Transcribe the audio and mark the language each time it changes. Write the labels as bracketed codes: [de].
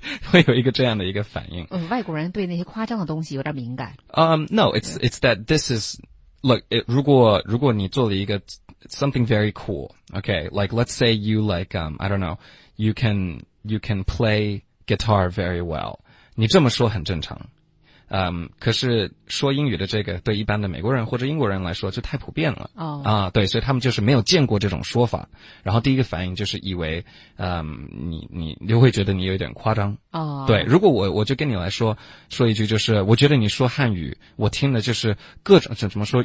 [zh] 会有一个这样的一个反应。嗯，外国人对那些夸张的东西有点敏感。 [en] No, it's that this is, look, it, [zh] 如果你做了一个 [en] something very cool, okay, like let's say you like, I don't know, you can play guitar very well. [zh] 你这么说很正常。可是说英语的这个对一般的美国人或者英国人来说就太普遍了。 Oh. 啊，对，所以他们就是没有见过这种说法。然后第一个反应就是以为你会觉得你有点夸张。 Oh. 对，如果我就跟你来说一句，就是我觉得你说汉语我听的就是各种怎么说，